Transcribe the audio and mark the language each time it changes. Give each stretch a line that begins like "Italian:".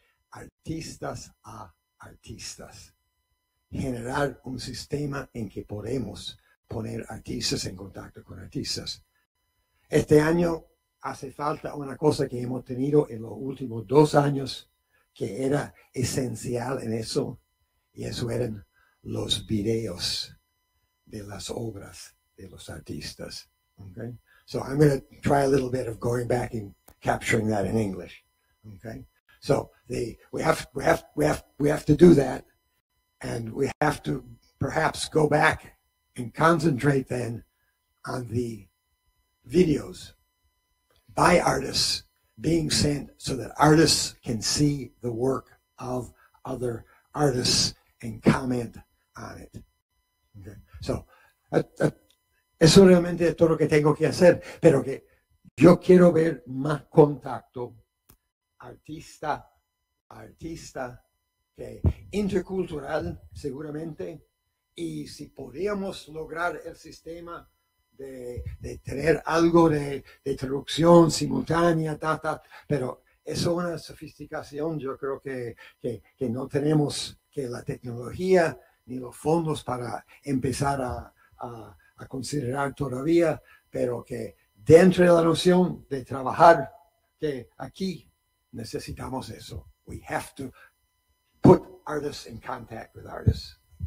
Spanish: Artistas a artistas. Generar un sistema en que podemos poner artistas en contacto con artistas. Este año hace falta una cosa que hemos tenido en los últimos 2 años que era esencial en eso, y eso eran los videos de las obras de los artistas.
English: Okay? So I'm going to try a little bit of going back and capturing that in English. Okay? So we have to do that, and we have to perhaps go back and concentrate then on the videos by artists being sent so that artists can see the work of other artists and comment on it. Okay.
Spanish: So, eso realmente es todo lo que tengo que hacer, pero que yo quiero ver más contacto artista, artista, okay, intercultural seguramente. Y si podíamos lograr el sistema de tener algo de traducción simultánea, pero eso es una sofisticación, yo creo que no tenemos que la tecnología ni los fondos para empezar a considerar todavía, pero que dentro de la noción de trabajar, que aquí necesitamos eso.
English: We have to put artists in contact with artists.